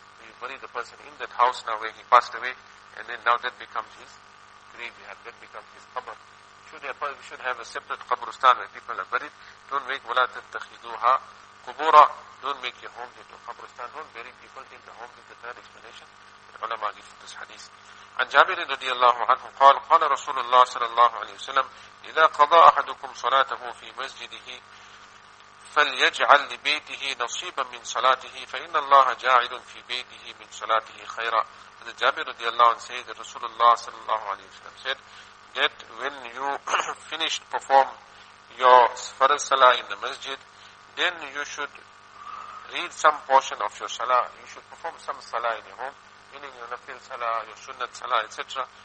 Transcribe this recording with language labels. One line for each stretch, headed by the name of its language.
English: we bury the person in that house now where he passed away, and then now that becomes his graveyard, that becomes his qabr. We should have a separate qabrustan where people are buried. Don't make
Arabic: wala tattakhiduha qubura,
English: don't make your home into a qabrustan, don't bury people in the home. Is the third explanation that ulama give in this hadith.
Arabic: عن جابر رضي الله عنه قال قال رسول الله صلى الله عليه وسلم إذا قضى أحدكم صلاته في مسجده فليجعل لبيته نصيبا من صلاته فإن الله جاعل في بيته من صلاته خيرا.
English: عن جابر رضي الله عنه said that رسول الله صلى الله عليه وسلم said that when you finished perform your farz salah in the masjid, then you should read some portion of your salah. You should perform some salah in your home, meaning your nafil salah, your sunnat salah, etc.